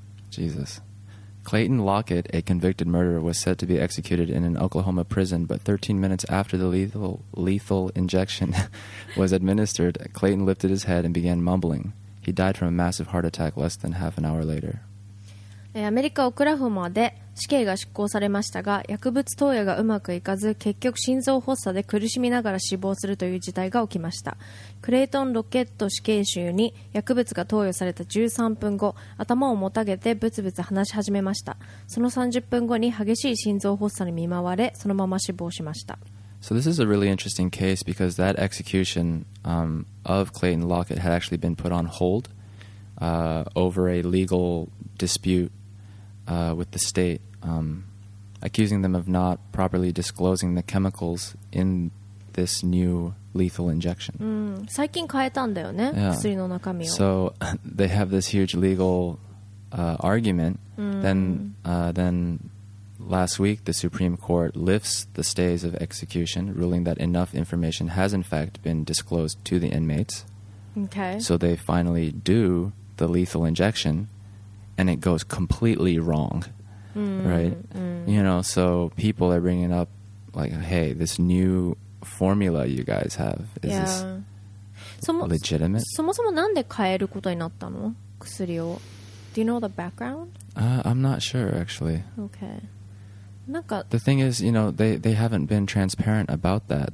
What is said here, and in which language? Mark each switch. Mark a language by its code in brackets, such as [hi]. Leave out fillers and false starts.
[en] JesusClayton Lockett, a convicted murderer, was set to be executed in an Oklahoma prison, but 13 minutes after the lethal injection was administered, Clayton lifted his head and began mumbling. He died from a massive heart attack less than half an hour later. [ja] アメリカ・オクラホマで死刑が執行されましたが、薬物投与がうまくいかず、結局心臓発作で苦しみながら死亡するという事態が起きました。クレイトン・ロケット死刑囚に薬物が投与された13分後、頭をもたげてブツブツ話し始めました。その30分後に激しい心臓発作に見舞われ、そのまま死亡しました。 [en] So this is a really interesting case because that execution, of Clayton Lockett had actually been put on hold, over a legal dispute, with the state, accusing them of not properly disclosing the chemicals in this new... lethal injection. [ja] 最近変えたんだよね、 [en] yeah. [ja] 薬の中身を。 [en] So they have this huge legal argument、then last week the Supreme Court lifts the stays of execution, ruling that enough information has in fact been disclosed to the inmates. Okay. So they finally do the lethal injection and it goes completely wrong、right、you know, so people are bringing up like, hey, this newformula you guys have is、yeah. this legitimate? [ja] そもそもなんで変えることになったの薬を。 [en] Do you know the background?、 I'm not sure actually. Okay. なんか The thing is, you know, they haven't been transparent about that.